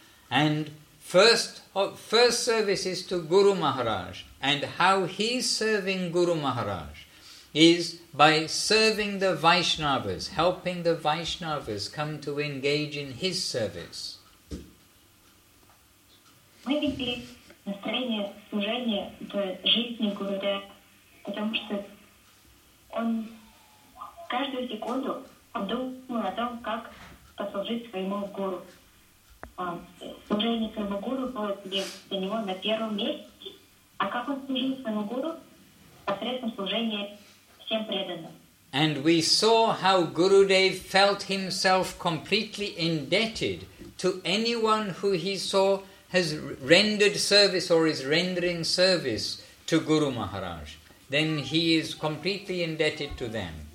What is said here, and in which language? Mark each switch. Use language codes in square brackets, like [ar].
[en] And first service is to Guru Maharaj. And how he's serving Guru Maharaj is by serving the Vaishnavas, helping the Vaishnavas come to engage in his service. [ru] Мы видели настроение служения в жизни Гурудева, потому что он каждую секунду думал о том, как послужить своему гуру. Служение своему гуру было для него на первом месте, а как он служил своему гуру? Посредством служения всем преданным. [en] And we saw how Gurudev felt himself completely indebted to anyone who he saw has rendered service or is rendering service to Guru Maharaj, then he is completely indebted to them.